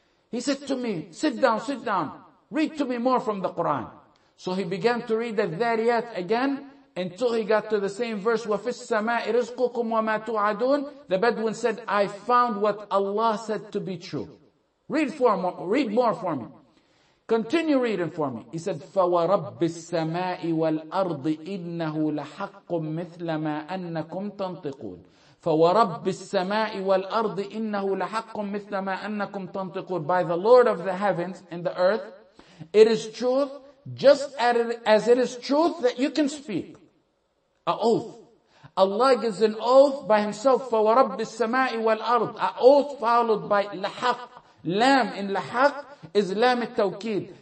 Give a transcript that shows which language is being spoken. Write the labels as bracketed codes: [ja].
[en] He said to me, sit down, read to me more from the Quran. So he began to read the Dhariyat again, until he got to the same verse, [ar] وَفِي السَّمَاءِ رِزْقُكُمْ وَمَا تُعَدُونَ. [en] The Bedouin said, I found what Allah said to be true. Read more for me. Continue reading for me. He said, [ar] فَوَرَبِّ السَّمَاءِ وَالْأَرْضِ إِنَّهُ لَحَقٌّ مِثْلَ مَا أَنَّكُمْ تَنْطِقُونَ. فَوَرَبِّ السَّمَاءِ وَالْأَرْضِ إِنَّهُ لَحَقٌّ مِثْلَ مَا أَنَّكُمْ تَنْطِقُونَ. [en] By the Lord of the heavens and the earth, it is truth, just as it is truth that you can speak. A oath. Allah gives an oath by himself. [ar] فَوَرَبِّ السَّمَاءِ وَالْأَرْضِ. [en] A oath followed by لَحَق. Lam in لَحَق is lam التوكيد.